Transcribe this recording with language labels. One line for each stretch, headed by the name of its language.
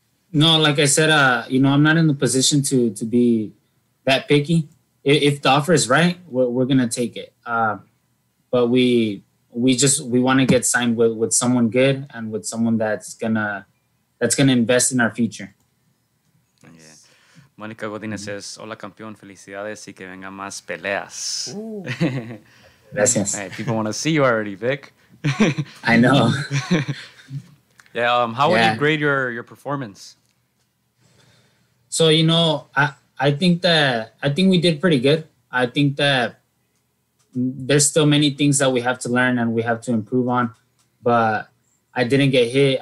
English: No, like I said, I'm not in the position to be that picky. If the offer is right, we're going to take it. But we want to get signed with someone good and with someone that's gonna invest in our future. Yeah.
Spanish: Monica Godinez says, hola campeón, felicidades y que venga más peleas. Gracias.
English: Hey, people want to see you already, Vic. I know. Yeah, how would you grade your performance? So, I think we did pretty good. I think that there's still many things that we have to learn and we have to improve on, but I didn't get hit.